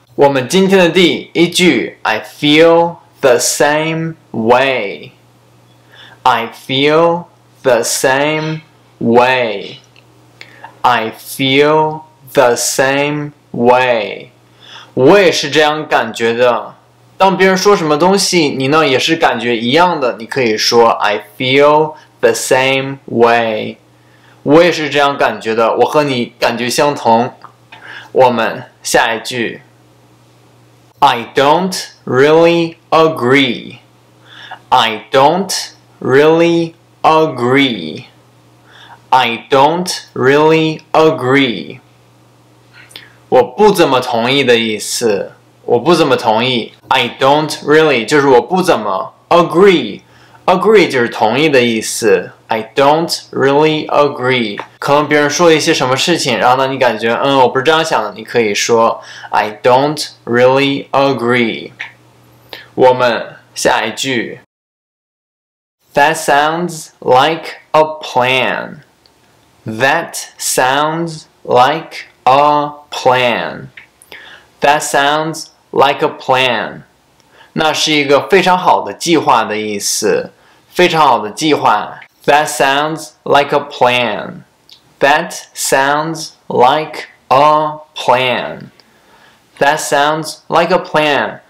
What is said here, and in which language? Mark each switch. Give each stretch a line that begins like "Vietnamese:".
Chinese: 我们今天的第一句，
English: I feel the same way, I feel the same way, I feel the same way。
Chinese: 我也是这样感觉的。当别人说什么东西，你呢也是感觉一样的，你可以说
English: I feel the same way。
Chinese: 我也是这样感觉的，我和你感觉相同。我们下一句，
English: I don't really agree, I don't really agree, I don't really agree。
Chinese: 我不怎么同意的意思，我不怎么同意。
English: I don't really
Chinese: 就是我不怎么，
English: agree agree
Chinese: 就是同意的意思。
English: I don't really agree，
Chinese: 可能别人说了一些什么事情，然后呢你感觉我不是这样想的，你可以说 I don't really agree。我们下一句，
English: That sounds like a plan, That sounds likeA plan, that sounds like a plan。
Chinese: 那是一个非常好的计划的意思，非常好的计划。
English: That sounds like a plan, that sounds like a plan, that sounds like a plan。